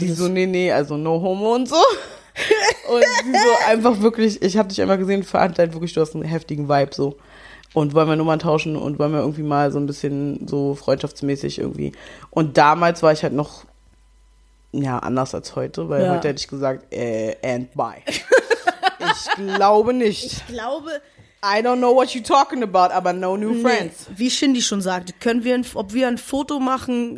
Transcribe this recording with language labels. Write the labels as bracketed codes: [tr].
[de] du das? Und sie so, nee, also [en] no homo [de] und so. Und sie so einfach wirklich, ich habe dich einmal gesehen, fand halt wirklich, du hast einen heftigen Vibe so. Und wollen wir Nummern tauschen und wollen wir irgendwie mal so ein bisschen so freundschaftsmäßig irgendwie. Und damals war ich halt noch, ja, anders als heute, weil heute hätte ich gesagt, [en] and bye. [de] Ich glaube nicht. Ich glaube. [en] I don't know what you're talking about, [de] aber [en] no new friends. [de] Wie Shindy schon sagte, ob wir ein Foto machen?